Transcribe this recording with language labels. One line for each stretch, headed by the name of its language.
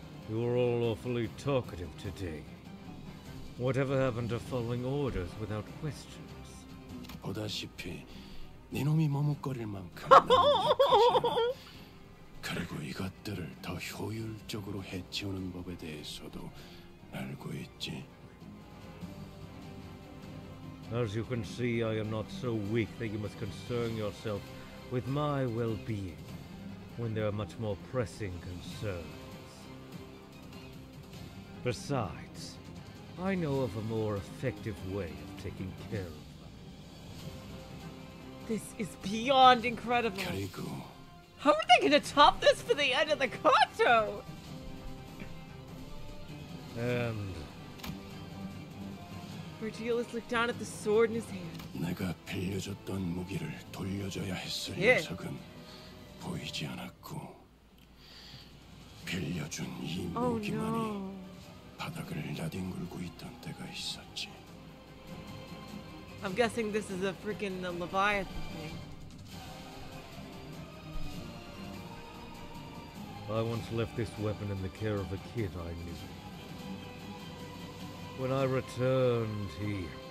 English: You're all awfully talkative today. Whatever happened to following orders without questions?
Korean: 보다시피 네 놈이 머뭇거릴 만큼 나는 못하잖아. 그리고 이것들을 더 효율적으로 해치우는 법에 대해서도 알고 있지.
English: As you can see, I am not so weak that you must concern yourself with my well-being when there are much more pressing concerns. Besides, I know of a more effective way of taking care of them. This is beyond incredible!
Korean: 그리고...
English: How are they gonna top this for the end of the Kanto? And... Virgilius looked down at the sword in his hand.
Korean: 내가 빌려줬던 무기를 돌려줘야 했을 녀석은 보이지 않았고 빌려준 이 무기만이 바닥을 나뒹굴고 있던 때가 있었지.
English: I'm guessing this is a freaking the Leviathan thing. I once left this weapon in the care of a kid I knew. When I returned, he...